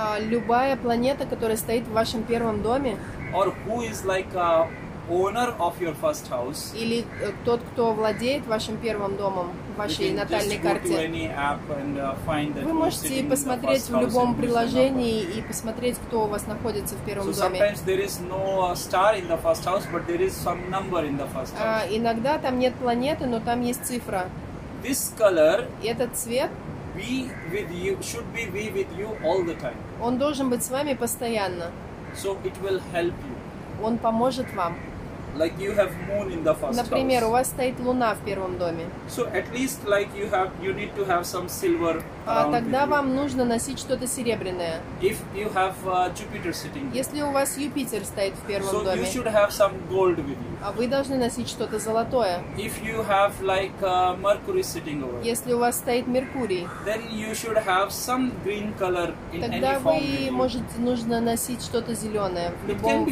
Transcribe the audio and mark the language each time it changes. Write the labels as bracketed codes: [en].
[ru] Любая планета, которая стоит в вашем первом доме. [en] Or who is like a owner of your first house? [ru] Или тот, кто владеет вашим первым домом в вашей натальной карте. Вы можете посмотреть в любом приложении и посмотреть, кто у вас находится в первом доме. [en] Sometimes there is no star in the first house, but there is some number in the first house. [ru] Иногда там нет планеты, но там есть цифра. [en] This color. [ru] Этот цвет. [en] Be with you, should be with you all the time. [ru] Он должен быть с вами постоянно. [en] So it will help you. [ru] Он поможет вам. [en] Like you have moon in the first. [ru] Например, [en] house. [ru] У вас стоит луна в первом доме. [en] So at least like you have, you need to have some silver. [ru] Тогда вам [en] you. [ru] Нужно носить что-то серебряное. [en] If you have Jupiter sitting. [ru] Если у вас Юпитер стоит в первом [en] so [ru] доме. [en] So you should have some gold with you. [ru] Вы должны носить что-то золотое. [en] If you have like Mercury sitting over. [ru] Если у вас стоит Меркурий. [en] Then you should have some green color in any form. [ru] Тогда вы можете нужно носить что-то зеленое в любом форме.